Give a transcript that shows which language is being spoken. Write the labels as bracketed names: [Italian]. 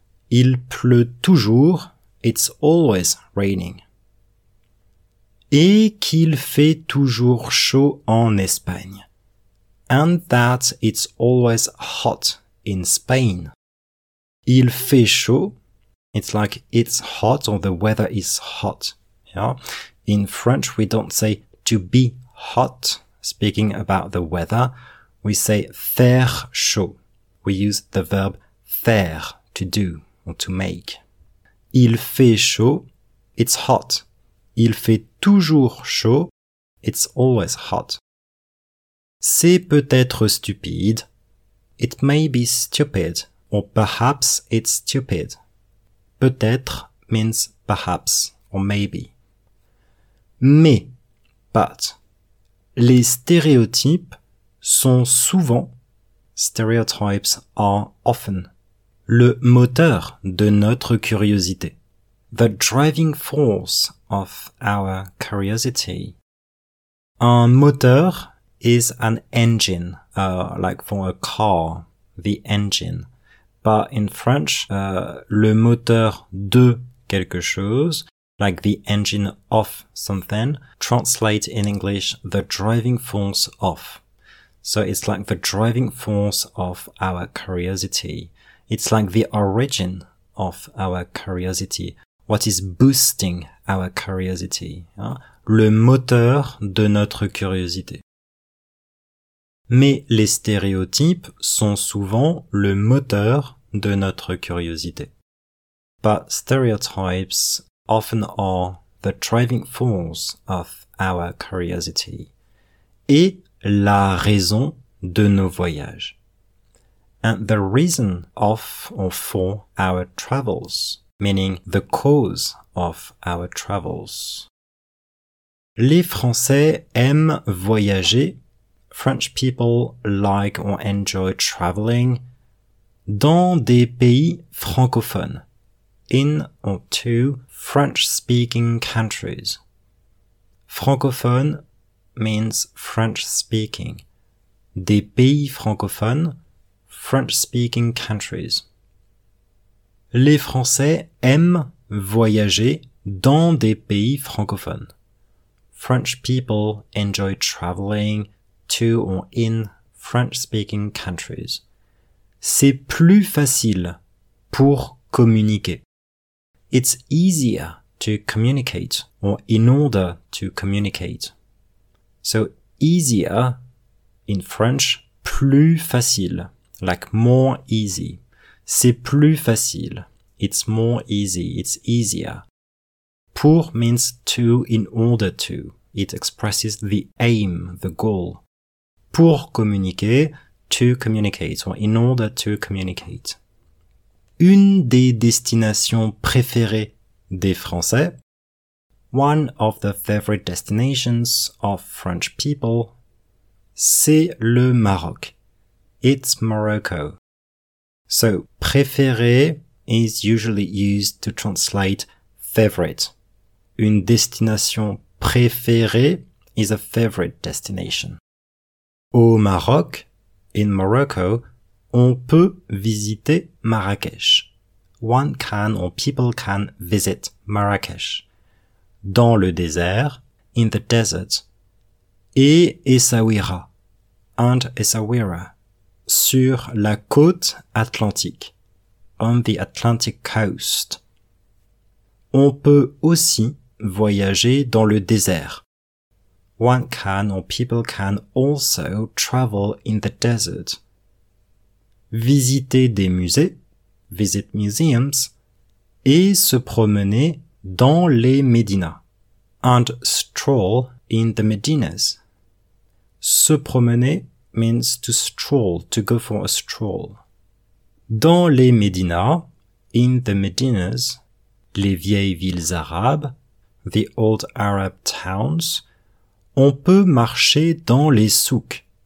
[French] Il pleut toujours, [English] it's always raining. [French] Et qu'il fait toujours chaud en Espagne. [English] And that it's always hot in Spain. [French] Il fait chaud. [English] It's like it's hot or the weather is hot. Yeah. In French, we don't say to be hot. Speaking about the weather, we say faire chaud. We use the verb faire, to do or to make. [French] Il fait chaud. [English] It's hot. [French] Il fait toujours chaud. [English] It's always hot. [French] C'est peut-être stupide. [English] It may be stupid. Or perhaps it's stupid. Peut-être means perhaps or maybe. [French] Mais, but, les stéréotypes sont souvent, [English] stereotypes are often, [French] le moteur de notre curiosité. [English] The driving force of our curiosity. Un moteur is an engine, like for a car, the engine. But in French, [French] le moteur de quelque chose, [English] like the engine of something, translates in English the driving force of. So it's like the driving force of our curiosity. It's like the origin of our curiosity. What is boosting our curiosity? Hein? [French] Le moteur de notre curiosité. Mais les stéréotypes sont souvent le moteur de notre curiosité. [English] But stereotypes often are the driving force of our curiosity [French] et la raison de nos voyages. [English] And the reason of or for our travels, meaning the cause of our travels. [French] Les Français aiment voyager. [English] French people like or enjoy traveling. [French] Dans des pays francophones, [English] in or to French-speaking countries. Francophone means French-speaking. [French] Des pays francophones, [English] French-speaking countries. [French] Les Français aiment voyager dans des pays francophones. [English] French people enjoy traveling to or in French-speaking countries. [French] C'est plus facile pour communiquer. [English] It's easier to communicate or in order to communicate. So easier in French, [French] plus facile, [English] like more easy. [French] C'est plus facile. [English] It's more easy. It's easier. Pour means to in order to. It expresses the aim, the goal. [French] Pour communiquer, [English] to communicate or in order to communicate. [French] Une des destinations préférées des Français. [English] One of the favorite destinations of French people. [French] C'est le Maroc. [English] It's Morocco. So, préféré is usually used to translate favorite. Une destination préférée is a favorite destination. [French] Au Maroc, [English] in Morocco, [French] on peut visiter Marrakech. [English] One can or people can visit Marrakech. [French] Dans le désert, [English] in the desert. Et Essaouira, and Essaouira. [French] Sur la côte atlantique, [English] on the Atlantic coast. [French] On peut aussi voyager dans le désert. [English] One can or people can also travel in the desert. [French] Visiter des musées, [English] visit museums, [French] et se promener dans les médinas, [English] and stroll in the medinas. Se promener means to stroll, to go for a stroll. [French] Dans les médinas, [English] in the medinas, [French] les vieilles villes arabes, [English] the old Arab towns, [French] on peut marcher dans les souks.